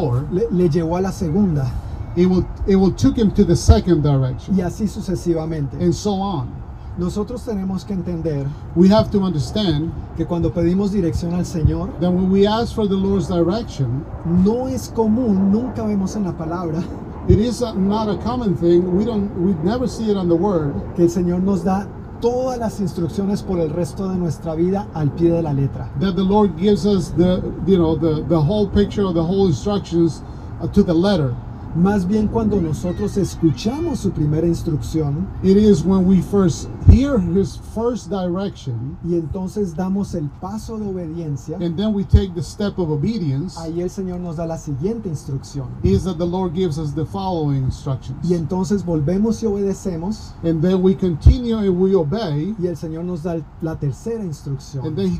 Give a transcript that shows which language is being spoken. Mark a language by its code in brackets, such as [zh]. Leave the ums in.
[es] Le, le llevó a la segunda [en] it will it will took him to the second direction. [es] Y así sucesivamente. [en] And so on. [es] Nosotros tenemos que entender [en] we have to understand [es] que cuando pedimos dirección al Señor, [en] that when we ask for the Lord's direction, [es] no es común, nunca vemos en la palabra. [en] It is a, not a common thing. We don't we never see it on the word [es] que el Señor nos da todas las instrucciones por el resto de nuestra vida al pie de la letra. [en] That the Lord gives us the you know the the whole picture of the whole instructions to the letter. [es] Más bien cuando nosotros escuchamos su primera instrucción, [en] first his first direction, [es] y entonces damos el paso de obediencia, [en] and then we take the step of [es] Ahí el Señor nos da la siguiente instrucción. [en] Is the Lord gives us the [es] y entonces volvemos y obedecemos, [en] and we and we obey, [es] Y el Señor nos da la tercera instrucción.